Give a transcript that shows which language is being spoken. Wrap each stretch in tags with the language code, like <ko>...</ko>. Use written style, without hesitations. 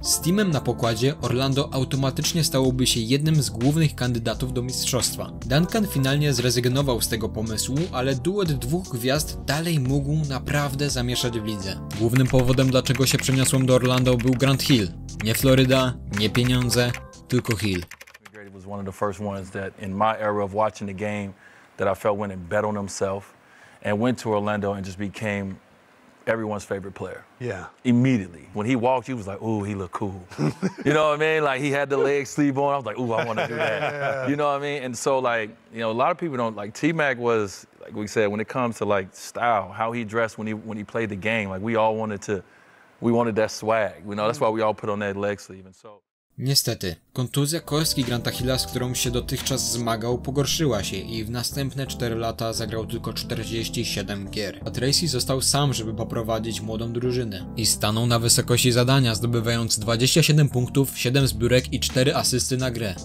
<pl>Z Timem na pokładzie Orlando automatycznie stałoby się jednym z głównych kandydatów do mistrzostwa. Duncan finalnie zrezygnował z tego pomysłu, ale duet dwóch gwiazd dalej mógł naprawdę zamieszać w lidze. Głównym powodem, dlaczego się przeniosłem do Orlando, był Grant Hill. Nie Floryda, nie pieniądze, tylko Hill.</pl> <en>Grady was one of the first ones that in my era of watching the game that I felt went and bet on himself and went to Orlando and just became everyone's favorite player. Yeah. Immediately. When he walked, you was like, ooh, he look cool. You know what I mean? Like, he had the leg sleeve on. I was like, ooh, I want to do that. You know what I mean? And so, like, you know, a lot of people don't, like, T-Mac was, like we said, when it comes to, like, style, how he dressed when he played the game, like, we all wanted to, we wanted that swag. You know, that's why we all put on that leg sleeve. And so,</en> <pl>Niestety, kontuzja kostki Granta Hilla, z którą się dotychczas zmagał, pogorszyła się i w następne 4 lata zagrał tylko 47 gier. A Tracy został sam, żeby poprowadzić młodą drużynę. I stanął na wysokości zadania, zdobywając 27 punktów, 7 zbiórek i 4 asysty na grę.</pl>